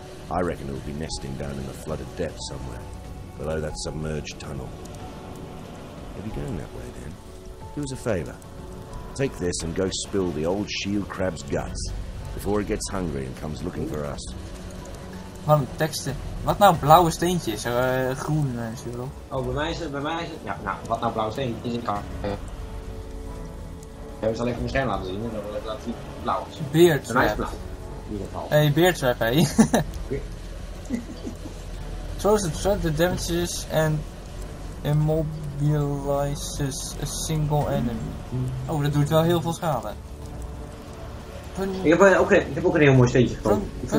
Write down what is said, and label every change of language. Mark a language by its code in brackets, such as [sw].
[en] I reckon it'll be nesting down in the flooded depths somewhere, below that submerged tunnel. Are you going that way then? Do us a favor. Take this and go spill the old shield crab's guts before it gets hungry and comes looking for us. [nl] Man, teksten. Wat nou blauwe steentjes? Groen, zuur. Oh, bij mij is het. Ja, nou, wat nou blauwe steentjes? Ik kan. Ik heb ze alleen op mijn scherm laten zien en dan wil ik laten zien blauw is. Beardsweb. Bij mij is blauw. In ieder geval. Hey, beardsweb, hey. [en] Throws the threat that damages and immobilizes a single enemy. [nl] Oh, dat doet wel heel veel schade. Ik heb ook een heel mooi steentje gekomen.